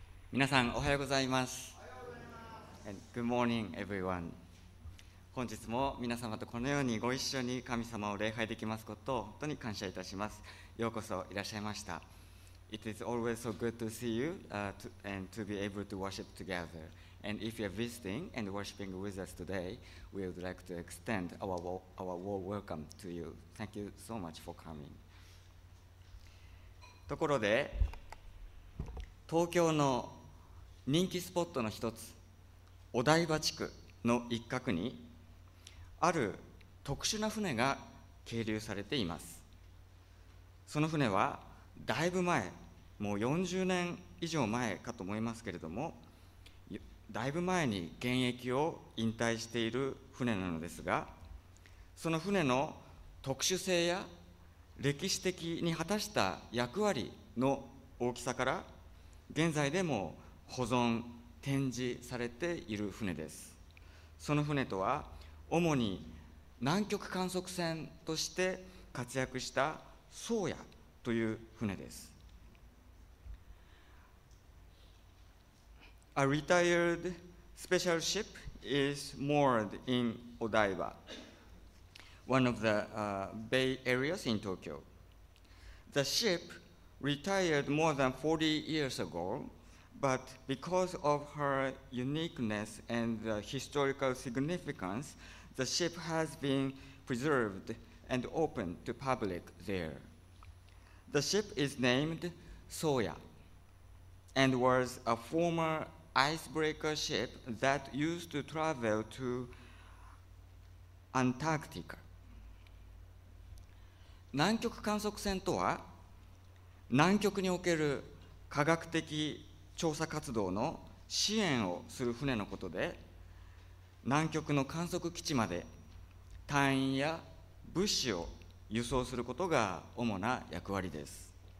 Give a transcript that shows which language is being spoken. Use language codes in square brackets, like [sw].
[ja] 皆さんおはようございます。おはようございます。 [en] Good morning everyone。 [ja] 本日も皆様とこのようにご一緒に神様を礼拝できますことを本当に感謝いたします。ようこそいらっしゃいました。 [en] It is always so good to see you and to be able to worship together. And if you're visiting and worshiping with us today, we would like to extend our welcome to you. Thank you so much for coming. [ja] ところで東京の人気スポットの一つ、お台場地区の一角にある特殊な船が係留されています。その船はだいぶ前、もう40年以上前かと思いますけれども、だいぶ前に現役を引退している船なのですが、その船の特殊性や歴史的に果たした役割の大きさから現在でも保存展示されている船です。その船とは主に南極観測船として活躍した宗谷という船です。 [en] A retired special ship is moored in Odaiba, one of the bay areas in Tokyo. The shipretired more than 40 years ago, but because of her uniqueness and the historical significance, the ship has been preserved and open to public there. The ship is named Sōya and was a former icebreaker ship that used to travel to Antarctica. [ja] 南極観測船とは南極における科学的調査活動の支援をする船のことで、南極の観測基地まで隊員や物資を輸送することが主な役割です。